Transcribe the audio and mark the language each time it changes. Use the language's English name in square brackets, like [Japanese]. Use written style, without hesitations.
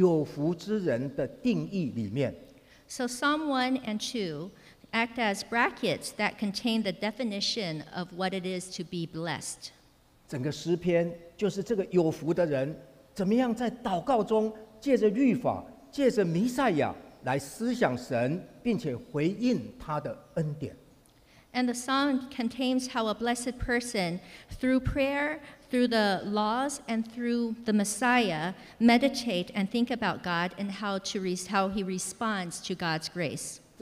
[Chinese] 这样诗篇第一篇跟第二篇就被圈在一个有福之人的定义里面。 [English] So Psalm 1 and 2 act as brackets that contain the definition of what it is to be blessed. [Chinese] 整个诗篇就是这个有福的人怎么样在祷告中借着律法借着弥赛亚 来思想神，并且回应他的恩典。 [English] And the psalm contains how a blessed person, through prayer, through the laws, and through the Messiah, meditate and think about God and how he responds to God's grace.